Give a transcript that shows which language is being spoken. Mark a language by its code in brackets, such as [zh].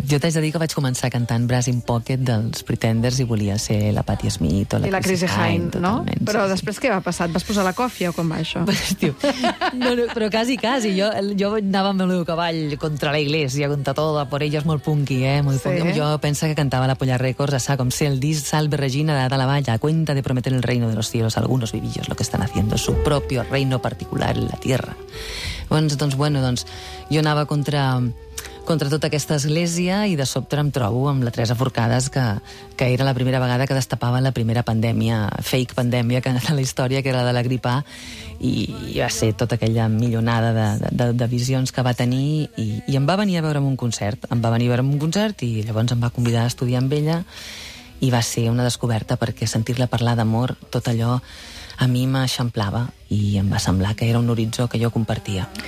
[ca] Jo t'haig de dir que vaig començar cantant Brass in Pocket dels Pretenders i volia ser la Patti Smith o la Chrissy Hynde, no? Però sí. Després què va passar? Et vas posar la còfia o com va això? Però quasi, jo anava amb el meu cavall contra la iglesia, contra tota, [es] por ella [ca] és molt punky, molt punky. Jo penso que cantava la Polla Records, a saco, el disc Salve Regina de la Valla, [es] a cuenta de prometer el reino de los cielos, algunos vivillos lo que están haciendo, su propio reino particular en la tierra. [ca] Doncs jo anava contra... contra tota aquesta església i de sobte em trobo amb la Teresa Forcades, que era la primera vegada que destapava la primera pandèmia, fake pandèmia, que en la història, que era la de la grip A, i va ser tota aquella milionada de visions que va tenir, i em va venir a veure en un concert, i llavors em va convidar a estudiar amb ella, i va ser una descoberta, perquè sentir-la parlar d'amor, tot allò a mi m'eixamplava i em va semblar que era un horitzó que jo compartia.